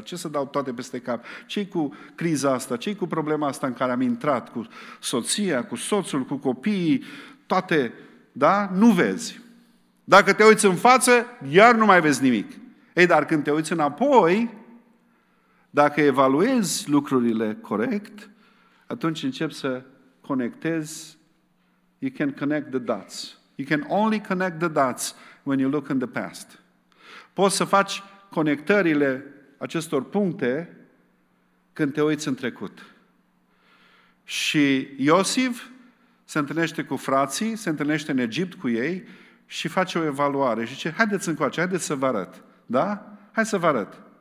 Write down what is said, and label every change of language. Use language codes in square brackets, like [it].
[ro] Ce să dau toate peste cap? Ce-i cu criza asta? Ce-i cu problema asta în care am intrat cu soția, cu soțul, cu copiii? Toate, da? Nu vezi. Dacă te uiți în față, iar nu mai vezi nimic. Ei, dar când te uiți înapoi, dacă evaluezi lucrurile corect, atunci începi să conectezi. [en] You can connect the dots. You can only connect the dots when you look in the past. [ro] Poți să faci conectările acestor puncte când te uiți în trecut. Și Iosif se întâlnește cu frații, se întâlnește în Egipt cu ei și face o evaluare. Și zice, haideți încoace, haideți să vă arăt. Da? Hai să vă arăt.